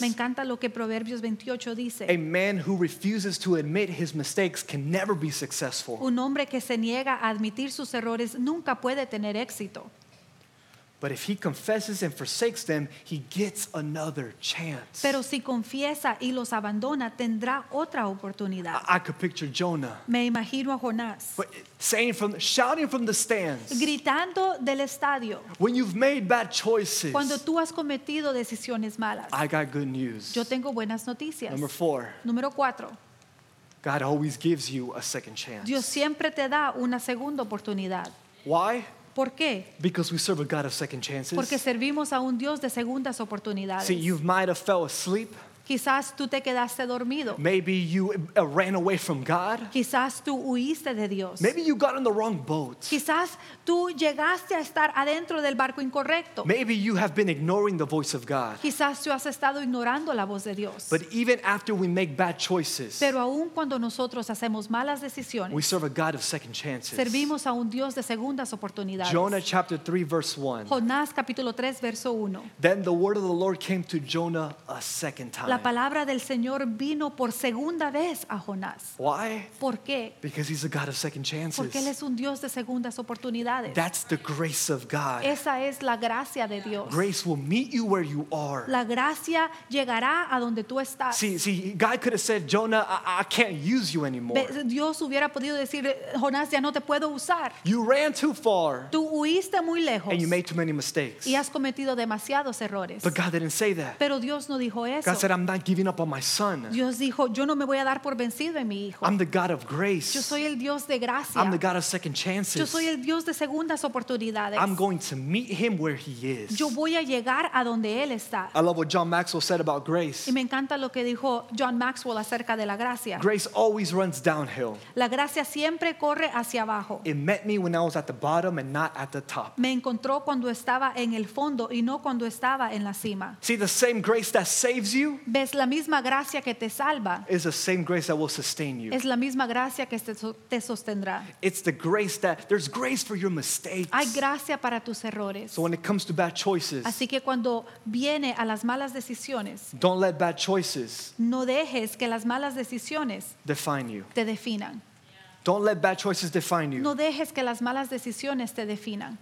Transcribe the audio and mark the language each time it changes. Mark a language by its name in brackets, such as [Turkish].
[Spanish] Me encanta lo que Proverbios 28 dice. [English] A man who refuses to admit his mistakes can never be successful. [Spanish] Un hombre que se niega a admitir sus errores nunca puede tener éxito. [English] But if he confesses and forsakes them, he gets another chance. [Spanish] Pero si confiesa y los abandona, tendrá otra oportunidad. [English] I could picture Jonah. [Spanish] Me imagino a Jonás. [English] Shouting from the stands. [Spanish] Gritando del estadio. [English] When you've made bad choices. [Spanish] Cuando tú has cometido decisiones malas. [English] I got good news. [Spanish] Yo tengo buenas noticias. [English] Number four. [Spanish] Número cuatro. [English] God always gives you a second chance. [Spanish] Dios siempre te da una segunda oportunidad. [English] Why? [Spanish] ¿Por qué? [English] Because we serve a God of second chances. [Spanish] Porque servimos a un Dios de segundas oportunidades. [English] See, you might have fell asleep. [Spanish] Quizás tú te quedaste dormido. [English] Maybe you ran away from God. [Spanish] Quizás tú huiste de Dios. [English] Maybe you got on the wrong boat. [Spanish] Quizás tú llegaste a estar adentro del barco incorrecto. [English] Maybe you have been ignoring the voice of God. [Spanish] Quizás tú has estado ignorando la voz de Dios. [English] But even after we make bad choices, [Spanish] pero aún cuando nosotros hacemos malas decisiones, [English] we serve a God of second chances. [Spanish] Servimos a un Dios de segundas oportunidades. [English] Jonah chapter 3 verse 1. [Spanish] Jonás capítulo 3 verso 1. [English] Then the word of the Lord came to Jonah a second time. [Spanish] La palabra del Señor vino por segunda vez a Jonás. [English] Why? [Spanish] ¿Por qué? [English] Because he's a God of second chances. [Spanish] Porque él es un Dios de segundas oportunidades. [English] That's the grace of God. [Spanish] Esa es la gracia de Dios. [English] Grace will meet you where you are. [Spanish] La gracia llegará a donde tú estás. [English] See, God could have said, Jonah, I can't use you anymore. [Spanish] Dios hubiera podido decir, Jonás, ya no te puedo usar. [English] You ran too far. [Spanish] Tú huiste muy lejos. [English] And you made too many mistakes. [Spanish] Y has cometido demasiados errores. [English] But God didn't say that. [Spanish] Pero Dios no dijo eso. [English] God said, I'm not giving up on my son. [Spanish] Dios dijo, yo no me voy a dar por vencido en mi hijo. [English] I'm the God of grace. [Spanish] Yo soy el Dios de gracia. [English] I'm the God of second chances. [Spanish] Yo soy el Dios de segundas oportunidades. [English] I'm going to meet him where he is. [Spanish] Yo voy a llegar a donde él está. [English] I love what John Maxwell said about grace. [Spanish] Y me encanta lo que dijo John Maxwell acerca de la gracia. [English] Grace always runs downhill. [Spanish] La gracia siempre corre hacia abajo. [English] It met me when I was at the bottom and not at the top. [Spanish] Me encontró cuando estaba en el fondo y no cuando estaba en la cima. [English] See, the same grace that saves you, [Spanish] ves, la misma gracia que te salva, [English] is the same grace that will sustain you. [Spanish] Es la misma gracia que te sostendrá. [English] It's the grace that, there's grace for your mistakes. [Spanish] Hay gracia para tus errores. [English] So when it comes to bad choices, [Spanish] así que cuando viene a las malas decisiones, [English] don't let bad choices, [Spanish] no dejes que las malas decisiones, [English] define you. [Spanish] Te definan. [English] Don't let bad choices define you. [Spanish] No dejes que las malas decisiones te definan.